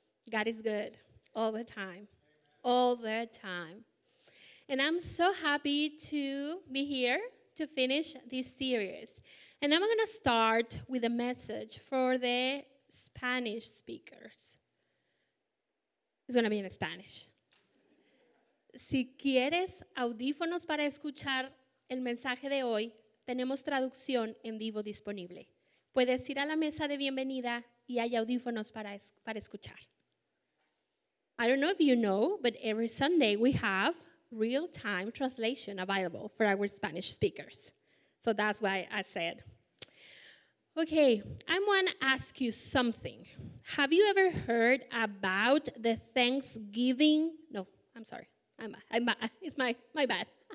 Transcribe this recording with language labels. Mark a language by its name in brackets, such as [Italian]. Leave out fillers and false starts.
[English] God is good all the time. All the time. And I'm so happy to be here to finish this series. And I'm going to start with a message for the Spanish speakers. It's going to be in Spanish. [Spanish] Si quieres audífonos para escuchar el mensaje de hoy, tenemos traducción en vivo disponible. Puedes ir a la mesa de bienvenida y hay audífonos para escuchar. [English] I don't know if you know, but every Sunday we have real-time translation available for our Spanish speakers. So that's why I said. Okay, I want to ask you something. Have you ever heard about the Thanksgiving? No, I'm sorry. It's my bad.